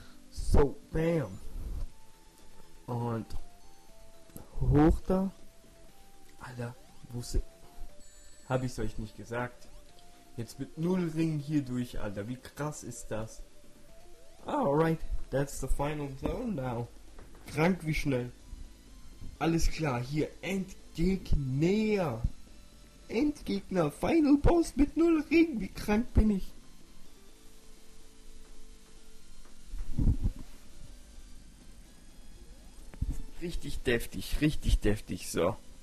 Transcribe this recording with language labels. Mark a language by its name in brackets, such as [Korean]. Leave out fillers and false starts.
[German] So, bam. Und hoch da. Alter, wo sind... Hab ich's euch nicht gesagt. Jetzt mit 0 Ringen hier durch, Alter. Wie krass ist das? [English] Alright, that's the final zone now. [German] Krank wie schnell. Alles klar, hier Endgegner, Final Boss mit 0 Ring, wie krank bin ich? Richtig deftig, so.